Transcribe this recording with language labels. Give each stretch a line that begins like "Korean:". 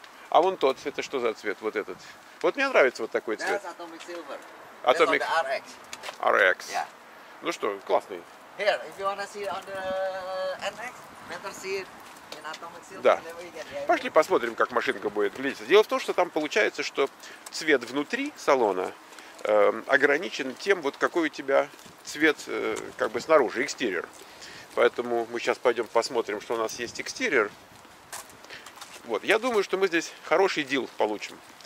Russian: А вон тот, это что за цвет, вот этот? Вот мне нравится вот такой цвет.
English: That's Atomic Silver. Atomic RX. RX. Yeah.
Russian: Ну что, классный.
English: Here, if you wanna see on the NX, better see it in Atomic Silver.
Russian: Да. Пошли посмотрим, как машинка будет выглядеть. Дело в том, что там получается, что цвет внутри салона ограничен тем, вот какой у тебя цвет как бы снаружи, экстерьер. Поэтому мы сейчас пойдем посмотрим, что у нас есть экстерьер. Вот, я думаю, что мы здесь хороший дил получим.